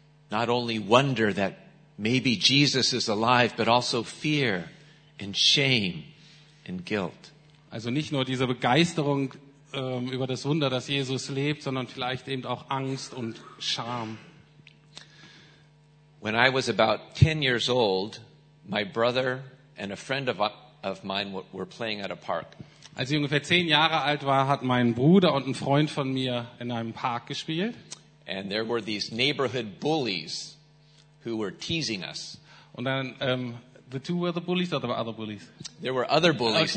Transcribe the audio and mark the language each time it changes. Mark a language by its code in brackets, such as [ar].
[en] Not only wonder that maybe Jesus is alive, but also fear and shame and guilt. [de] Also nicht nur diese Begeisterung über das Wunder, dass Jesus lebt, sondern vielleicht eben auch Angst und Scham. [en] When I was about 10 years old, my brother and a friend of mine were playing at a park. [de] Als ich ungefähr 10 Jahre alt war, hat mein Bruder und ein Freund von mir in einem Park gespielt. [en] And there were these neighborhood bullies who were teasing us. [de] Und dann [en] the two were the bullies or the other bullies? There were other bullies,